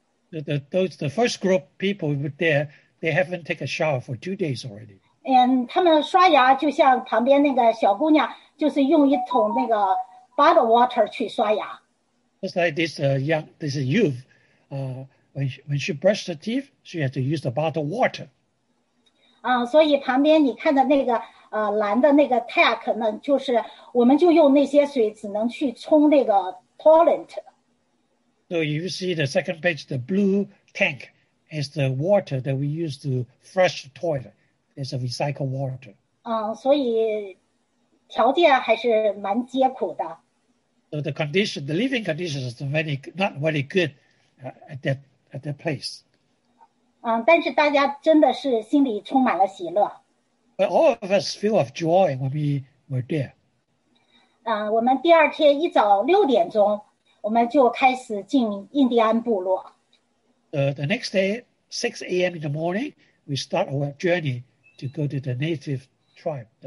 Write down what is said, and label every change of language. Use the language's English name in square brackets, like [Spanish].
[English] The first group people were there, They haven't taken a shower for 2 days already. And [Chinese] 他们刷牙就像旁边那个小姑娘，就是用一桶那个 [English] bottle water [Chinese] 去刷牙。 [English] Just like this youth, when she brushed her teeth, she had to use the bottle water. [Chinese] 所以旁边你看的那个蓝的那个 tap 呢，就是我们就用那些水只能去冲那个 toilet。 [English] So you see the second page, the blue tank is the water that we use to flush the toilet. It's a recycled water. [Chinese] 所以条件还是蛮艰苦的。 [English] So the condition, the living conditions are not very good at that place. [Chinese] 但是大家真的是心里充满了喜乐。 [English] But all of us feel of joy when we were there. [Chinese] 我们第二天一早六点钟我们就开始进印第安部落。 [English] The next day, 6 a.m. in the morning, we start our journey to go to the native tribe.